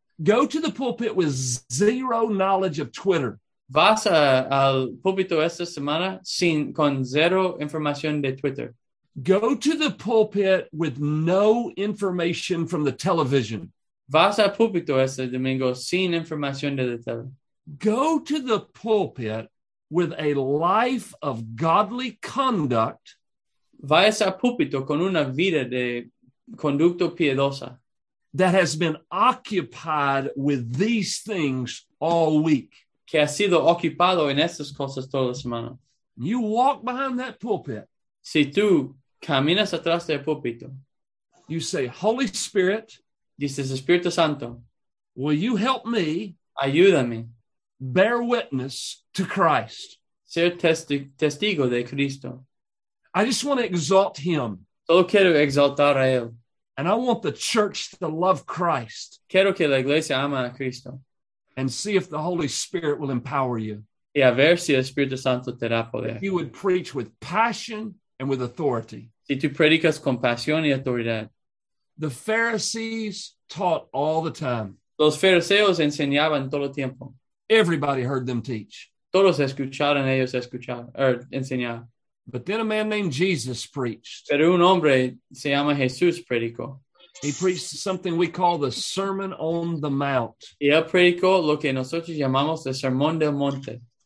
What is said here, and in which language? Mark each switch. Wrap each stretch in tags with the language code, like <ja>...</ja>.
<en>Go to the pulpit with zero knowledge of Twitter.</en> <es>Vas al púlpito esta semana sin con cero información de Twitter.</es> <en>Go to the pulpit with no information from the television.</en> <es>Vas al púlpito este domingo sin información de la tele.</es> <en>Go to the pulpit with a life of godly conduct.</en> <es>Vayas al púlpito con una vida de conducto piedosa.</es> <en>That has been occupied with these things all week.</en> <es>Que ha sido ocupado en estas cosas toda la semana.</es> <en>You walk behind that pulpit.</en> <es>Si tú caminas atrás del púlpito.</es> <en>You say, Holy Spirit.</en> <es>Dices, Espíritu Santo.</es> <en>Will you help me?</en> <es>Ayúdame.</es> <en>Bear witness to Christ.</en> <es>Ser testigo de Cristo.</es> <en>I just want to exalt him.</en> <es>Solo quiero exaltar a él.</es> <en>And I want the church to love Christ.</en> <es>Quiero que la iglesia ama a Cristo.</es> <en>And see if the Holy Spirit will empower you.</en> <es>Y a ver si el Espíritu Santo te da poder.</es> <en>If you would preach with passion and with authority.</en> <es>Si tú predicas con pasión y autoridad.</es> <en>The Pharisees taught all the time.</en> <es>Los fariseos enseñaban todo el tiempo.</es> <en>Everybody heard them teach.</en> <es>Todos escucharon ellos escuchar, enseñar.</es> <en>But then a man named Jesus preached.</en> <es>Pero un hombre se llama Jesús predicó.</es> <en>He preached something we call the Sermon on the Mount.</en> <es>Y él predicó lo que nosotros llamamos el Sermón del Monte.</es>